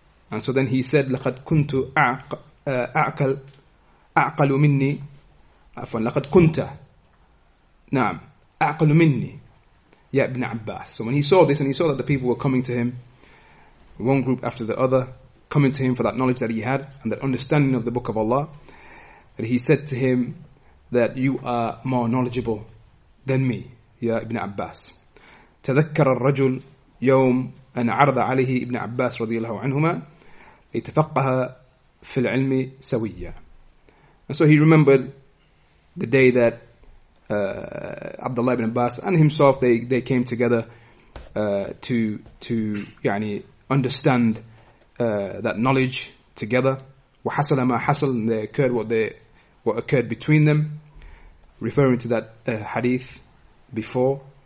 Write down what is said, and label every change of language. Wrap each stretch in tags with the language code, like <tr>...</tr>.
<ar>And so then he said, لَقَدْ كُنْتُ أَعْقَلُ مِنِّي أَفْوَنْ لَقَدْ كُنْتَ نَعْمْ أَعْقَلُ مِنِّي يَا ابْنَ عَبَّاسِ.</ar> <en>So when he saw this and he saw that the people were coming to him, one group after the other, coming to him for that knowledge that he had and that understanding of the book of Allah, and he said to him that you are more knowledgeable than me, ya Ibn Abbas.</en> <ar>تذكر الرجل يوم أن عرض عليه ابن عباس رضي الله عنهما يتفقه في العلم سويا.</ar> <en>And so he remembered the day that Abdullah ibn Abbas and himself, they came together to يعني understand that knowledge together. وحصل ما حصل, and what occurred between them, referring to that hadith before.</en>